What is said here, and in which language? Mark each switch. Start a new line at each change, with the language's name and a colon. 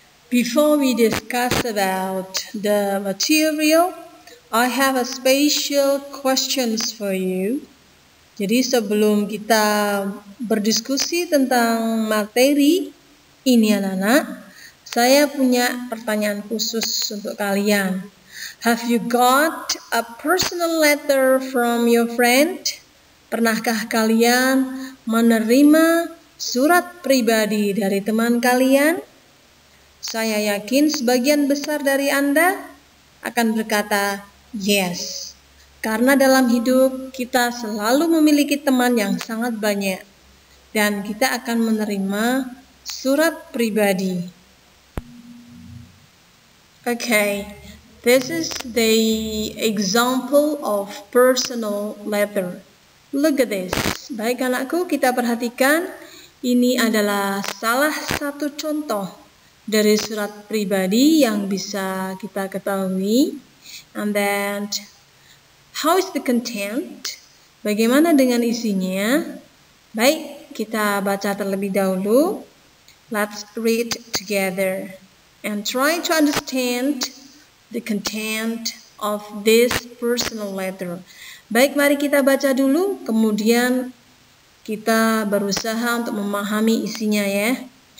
English: Before we discuss about the material, I have a special questions for you.
Indonesian: Jadi sebelum kita berdiskusi tentang materi ini anak-anak, saya punya pertanyaan khusus untuk kalian.
English: Have you got a personal letter from your friend?
Indonesian: Pernahkah kalian menerima surat pribadi dari teman kalian? Saya yakin sebagian besar dari Anda akan berkata yes. Karena dalam hidup kita selalu memiliki teman yang sangat banyak. Dan kita akan menerima surat pribadi.
English: Okay, this is the example of personal letter. Look at this.
Indonesian: Baik anakku, kita perhatikan. Ini adalah salah satu contoh dari surat pribadi yang bisa kita ketahui.
English: And then, how is the content?
Indonesian: Bagaimana dengan isinya? Baik, kita baca terlebih dahulu.
English: Let's read together and try to understand the content of this personal letter.
Indonesian: Baik, mari kita baca dulu, kemudian kita berusaha untuk memahami isinya ya.